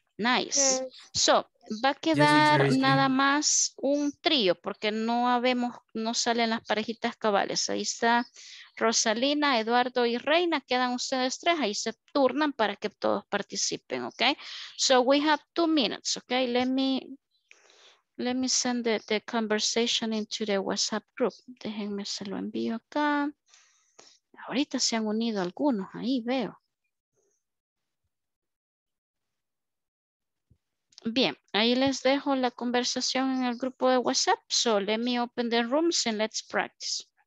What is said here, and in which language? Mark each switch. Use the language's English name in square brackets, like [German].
[English] Nice. Yes. [Spanish] So, va a quedar yes, nada más un trío, porque no habemos, no salen las parejitas cabales. Ahí está Rosalina, Eduardo y Reina. Quedan ustedes tres, ahí se turnan para que todos participen, ¿ok? [English] So, we have 2 minutes, ¿ok? Let me send the conversation into the WhatsApp group. [Spanish] Déjenme se lo envío acá. Ahorita se han unido algunos, ahí veo. Bien, ahí les dejo la conversación en el grupo de WhatsApp. [English] So let me open the rooms and let's practice.